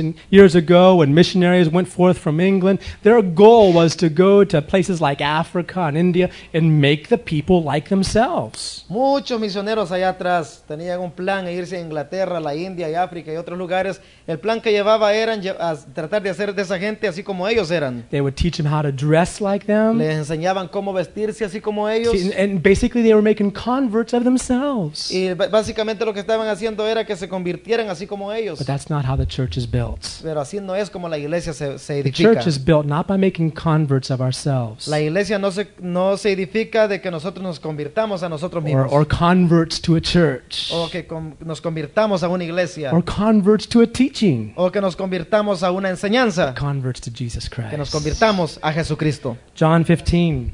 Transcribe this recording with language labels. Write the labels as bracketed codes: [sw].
[en] Years ago, when missionaries went forth from England, their goal was to go to places like Africa and India and make the people like themselves. [es] Muchos misioneros allá atrás tenían un plan de irse a Inglaterra, la India y África y otros lugares. El plan que llevaba era tratar de hacer de esa gente así como ellos eran. [en] They would teach them how to dress like them. [es] Les enseñaban cómo vestirse así como ellos. [en] And basically, they were making converts of themselves. [es] Y básicamente lo que estaban haciendo era que se convirtieran así como ellos. [en] But that's not how the church is built. [es] Pero así no es como la iglesia se edifica. [en] The church is built not by making converts of ourselves. [es] La iglesia no se edifica de que nosotros nos convirtamos a nosotros mismos. [en] Or converts to a church. [es] O que nos convirtamos a una iglesia. [en] Or converts to a teaching. [es] O que nos convirtamos a una enseñanza. [en] But converts to Jesus Christ. [es] Que nos convirtamos a Jesucristo. [en] John 15.